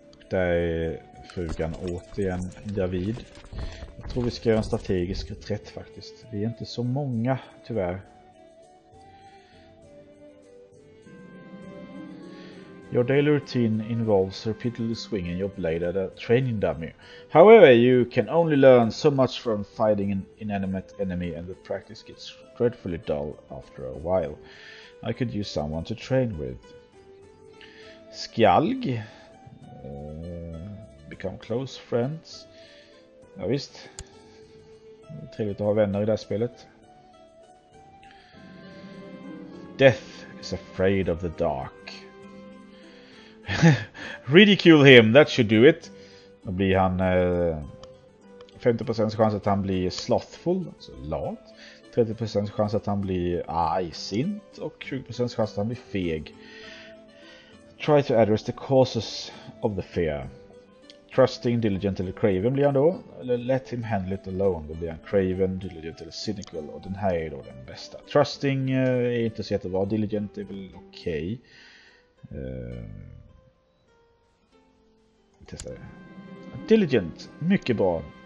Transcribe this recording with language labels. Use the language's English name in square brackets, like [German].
[Swedish] där är frugan återigen David. Jag tror vi ska göra en strategisk reträtt faktiskt. Vi är inte så många, tyvärr. [English] Your daily routine involves repeatedly swinging your blade at a training dummy. However, you can only learn so much from fighting an inanimate enemy and the practice gets dreadfully dull after a while. I could use someone to train with. [Swedish] Skjalg. [English] Become close friends. [Swedish] Ja visst. Det är trevligt att ha vänner i det här spelet. [English] Death is afraid of the dark. Ridicule him, that should do it. [Swedish] Då blir han 50% chans att han blir slothful, alltså lat. 30% chans att han blir argsint och 20% chans att han blir feg. [English] Try to address the causes of the fear. Trusting, diligent [Swedish] eller [English] craven [Swedish] blir han då. Eller [English] let him handle it alone. [Swedish] Då blir han craven, diligent eller cynical. Och den här är då den bästa. Trusting är inte så jättebra. Diligent är väl okej. Testa det. Diligent. Mycket bra.